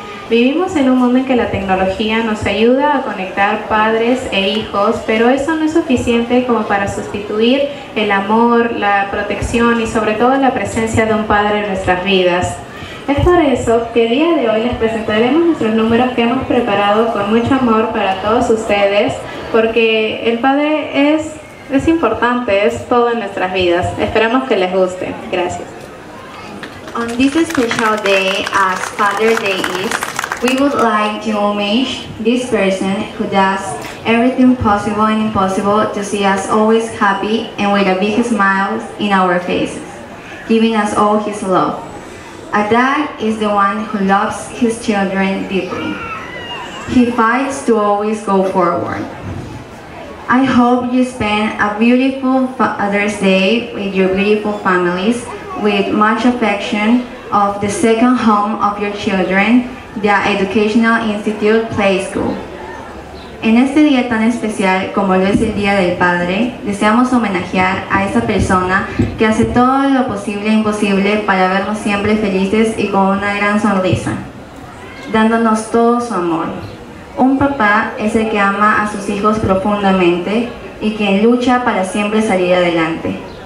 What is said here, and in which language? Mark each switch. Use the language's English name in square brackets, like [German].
[Spanish] Vivimos en un mundo en que la tecnología nos ayuda a conectar padres e hijos, pero eso no es suficiente como para sustituir el amor, la protección y sobre todo la presencia de un padre en nuestras vidas. Es por eso que el día de hoy les presentaremos nuestros números que hemos preparado con mucho amor para todos ustedes, porque el padre es importante, es todo en nuestras vidas. Esperamos que les guste. Gracias. [English] On this special day, as Father's Day is, we would like to homage this person who does everything possible and impossible to see us always happy and with a big smile in our faces, giving us all his love. A dad is the one who loves his children deeply. He fights to always go forward. I hope you spend a beautiful Father's Day with your beautiful families, with much affection of the second home of your children, the Educational Institute Play School. [Spanish] En este día tan especial como lo es el Día del Padre, deseamos homenajear a esa persona que hace todo lo posible e imposible para vernos siempre felices y con una gran sonrisa, dándonos todo su amor. Un papá es el que ama a sus hijos profundamente y quien lucha para siempre salir adelante.